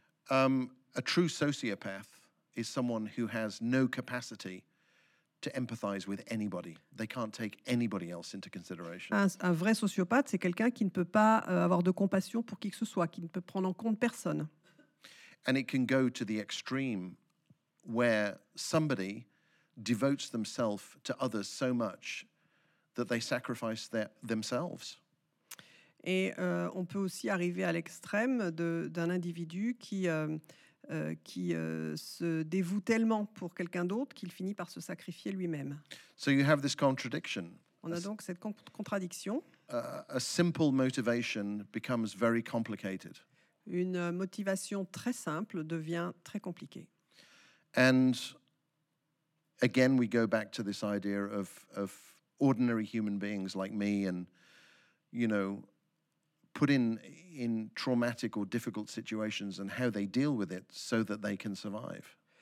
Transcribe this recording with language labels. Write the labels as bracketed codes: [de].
[en] A true sociopath is someone who has no capacity to empathize with anybody. They can't take anybody else into consideration. [fr] Un vrai sociopathe, c'est quelqu'un qui ne peut pas avoir de compassion pour qui que ce soit, qui ne peut prendre en compte personne. [en] And it can go to the extreme where somebody devotes themselves to others so much that they sacrifice themselves. [fr] Et on peut aussi arriver à l'extrême d'un individu qui se dévoue tellement pour quelqu'un d'autre qu'il finit par se sacrifier lui-même. [en] So you have this contradiction. [fr] On a donc cette contradiction. [en] A simple motivation becomes very complicated. [fr] Une motivation très simple devient très compliquée. [en] And again, we go back to this idea of ordinary human beings like me and, you know, put in traumatic or difficult situations and how they deal with it so that they can survive.